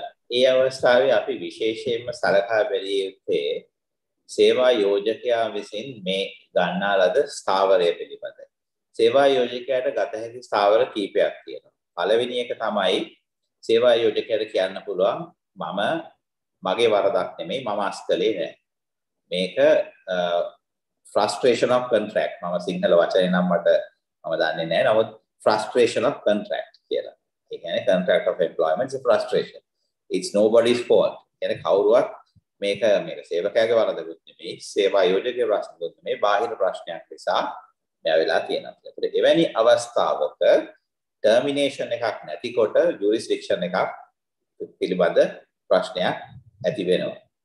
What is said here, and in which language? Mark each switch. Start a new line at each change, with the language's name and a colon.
Sinhala: ඒ අවස්ථාවේ අපි විශේෂයෙන්ම සලකා බැලිය යුත්තේ සේවා යෝජකයා විසින් මේ ගන්නා ලද ස්ථාවරය පිළිබඳ. සේවා යෝජකයාට ගත හැකි ස්ථාවර කීපයක් තියෙනවා. පළවෙනි එක තමයි සේවා යෝජකයාට කියන්න පුළුවන් මම මගේ වරදක් නෙමෙයි මම අස්තලේ නෑ.
English: මේක frustration of contract.
Sinhala: මම සිංහල වචනේ නම් මම දන්නේ නෑ. නමුත්
English: frustration of contract
Sinhala: කියලා. ඒ කියන්නේ
English: contract of employment is a frustration. It's nobody's fault.
Sinhala: يعني කවුරුවත් මේක මේක සේවකයාගේ වරදකුත් නෙමෙයි සේවා යෝජකයාගේ වරදකුත් නෙමෙයි බාහිර ප්‍රශ්නයක් නිසා මෙයා වෙලා තියෙනවා කියලා. ඒත් එවැනි අවස්ථාවක termination එකක් නැතිකොට jurisdiction එකක් පිළිබඳ ප්‍රශ්නයක් ඇති වෙනවා.